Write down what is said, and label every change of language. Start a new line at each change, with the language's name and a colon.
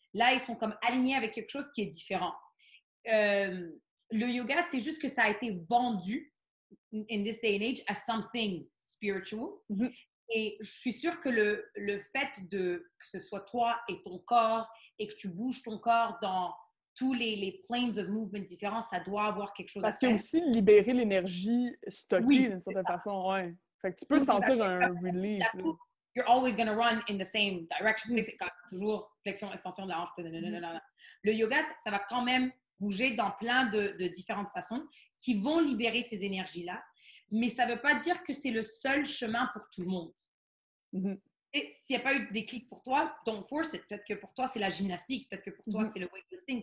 French: Là, ils sont comme alignés avec quelque chose qui est différent. Le yoga, c'est juste que ça a été vendu
English: in this day and age as something spiritual.
French: Mm-hmm. Et je suis sûre que le fait de que ce soit toi et ton corps et que tu bouges ton corps dans tous les
English: planes of movement
French: différents, ça doit avoir quelque chose parce à faire. Parce qu'il y a aussi libéré l'énergie stockée, oui, d'une certaine façon, ouais. Fait que tu peux sentir un relief.
English: You're always going to run in the same direction.
French: Mm-hmm. C'est toujours flexion, extension de la hanche. Le yoga, ça va quand même bouger dans plein de différentes façons qui vont libérer ces énergies-là. Mais ça ne veut pas dire que c'est le seul chemin pour tout le monde. Mm-hmm. Et s'il n'y a pas eu de déclic pour toi,
English: don't force it.
French: Peut-être que pour toi, c'est la gymnastique. Peut-être que pour toi, mm-hmm, c'est le weightlifting.